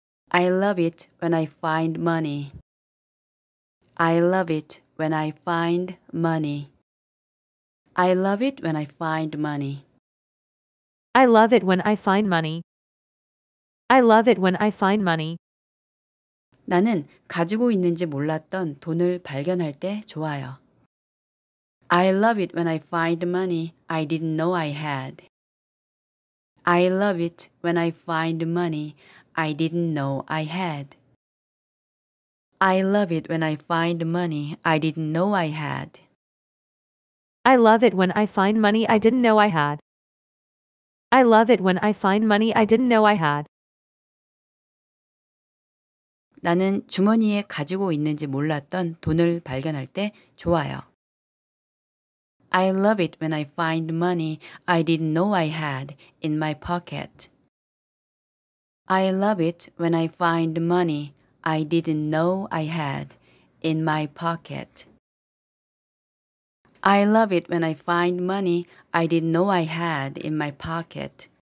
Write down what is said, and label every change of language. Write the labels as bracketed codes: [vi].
[en] I love it when I find money. I love it when I find money. I love it when I find money. I love it when I find money. I love it when I find money. [ko] 나는 가지고 있는지 몰랐던 돈을 발견할 때 좋아요. [en] I love it when I find money I didn't know I had. I love it when I find money I didn't know I had. I love it when I find money I didn't know I had. I love it when I find money I didn't know I had. I love it when I find money I didn't know I had. [ko] 나는 주머니에 가지고 있는지 몰랐던 돈을 발견할 때 좋아요. [en] I love it when I find money I didn't know I had in my pocket. I love it when I find money I didn't know I had in my pocket. I love it when I find money I didn't know I had in my pocket.